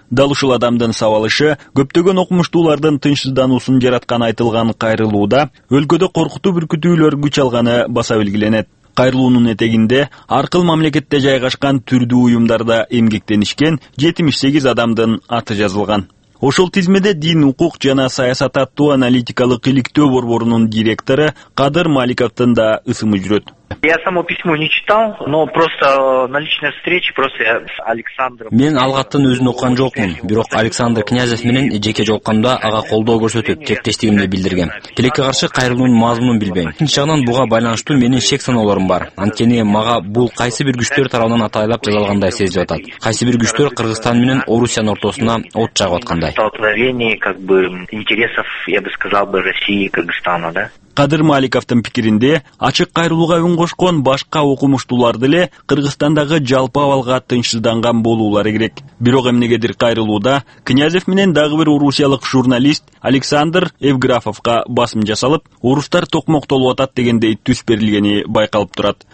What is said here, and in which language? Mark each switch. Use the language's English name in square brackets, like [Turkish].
[Kyrgyz] Дал ушул адамдын сабалышы көптөгөн окумуштуулардын тынчсыздануусун жараткан айтылган кайрылууда өлкөдө коркутуу бүркүтүүлөр күч алганы баса белгиленет. Кайрылуунун этегинде ар кыл мамлекетте жайгашкан түрдүү уюмдарда эмгектенишкен 78 адамдын аты жазылган. Ошол тизмеде дин, укук жана саясат аттуу аналитикалык иликтөө борборунун директору Кадыр Маликовдун да ысымы жүрөт. [Russian] Я само письмо не читал, но просто на личной встрече просто я с Александром. [Kyrgyz] Мен ал каттын өзүн уккан жокмун, бирок Александр Князев менен жеке жолукканда ага колдоо көрсөтүп, тектештигимди билдиргем. Тилекке каршы кайрылуунун мазмунун билбейм. Чынчанан буга байланыштуу менин шек саноолорум бар. Анткени мага бул кайсы бир күчтөр тарабынан атайлап жазылгандай сезилип атат. Кайсы бир күчтөр Кыргызстан менен Орусиянын ортосуна от жагып аткандай. [Russian] Столкновение интересов, я бы сказал, России и Кыргызстана, да? [Kyrgyz] Кадыр Маликовдун пикиринде ачык кайрылууга үн кошкон башка окумуштуулар деле Кыргызстандагы жалпы абалга тынчсызданган болуулары керек. Бирок эмнегедир кайрылууда Князев менен дагы бир орусиялык журналист Александр Евграфовго басым жасалып, орустар токмоктолуп атат дегендей түс берилгени байкалып турат.